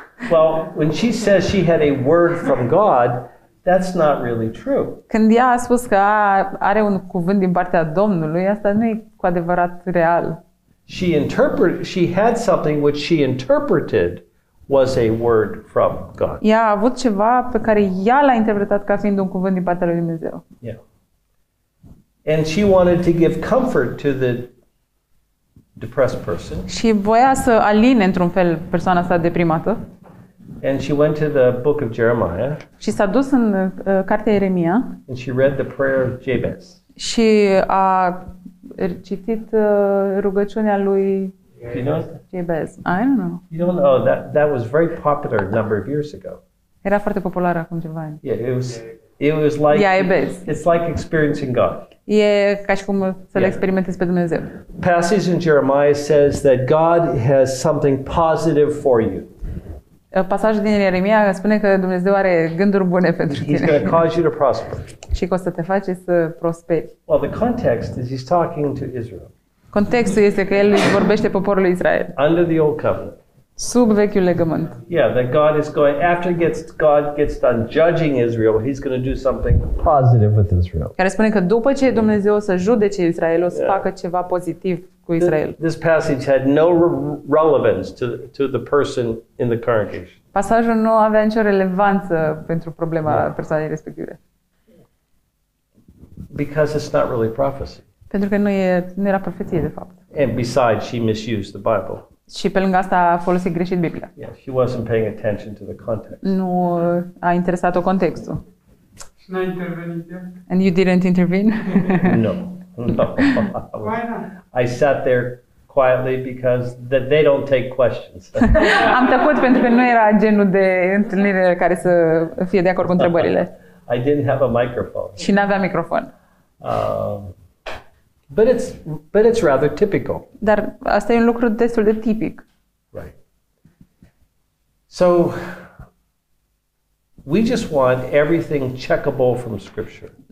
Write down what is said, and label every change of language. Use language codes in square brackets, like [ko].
[en] Well, when she says she had a word from God, that's not really true. [ro] Când ea a spus că are un cuvânt din partea Domnului, asta nu e cu adevărat real. [en] She had something which she interpreted was a word from God. [ro] Ea a avut ceva pe care ea l-a interpretat ca fiind un cuvânt din partea lui Dumnezeu. [en] Yeah. And she wanted to give comfort to the depressed person. [ro] Și voia să aline într-un fel persoana asta deprimată. [en] And she went to the book of Jeremiah. [ro] Și s-a dus în cartea Ieremia. [en] And she read the prayer of Jabez. [ro] Și a citit rugăciunea lui Jabez. [en] I don't know. You don't know, that was very popular a number of years ago. [ro] Era foarte popular acum ceva ani. [en] Yeah, it was like Jabez. It's like experiencing God. [ro] E ca și cum să le experimentezi pe Dumnezeu. [en] Passage in Jeremiah says that God has something positive for you. [ro] Pasajul din Ieremia spune că Dumnezeu are gânduri bune pentru [en] he's [ro] tine. [en] He's going to cause you to prosper. [ro] Și că o să te face să prosperi. [en] Well, the context is he's talking to Israel. [ro] Contextul este că el vorbește poporului Israel. [en] Under the old covenant. [ro] Sub vechiul legământ. [en] Yeah, that God is going after God gets done judging Israel, he's going to do something positive with Israel. [ro] Care spune că după ce Dumnezeu o să judece Israel, o să facă ceva pozitiv cu Israel. [en] This passage had no relevance to the person in the congregation. [ro] Pasajul nu avea nicio relevanță pentru problema persoanei respective. [en] Because it's not really prophecy. [ro] Pentru că nu era profeție de fapt. [en] And besides, she misused the Bible. [ro] Și pe lângă asta a folosit greșit Biblia. [en] Yeah, she wasn't paying attention to the context. [ro] Nu a interesat-o contextul. Și n-a intervenit. [en] And you didn't intervene? No. Why not? I sat there quietly because they don't take questions. [ro] Am tăcut pentru că nu era genul de întâlnire care să fie de acord cu întrebările. [en] I didn't have a microphone. [ro] Și n-avea microfon. [en] But it's rather typical. [ro] Dar asta e un lucru destul de tipic. [en] Right. So we just want everything checkable from scripture.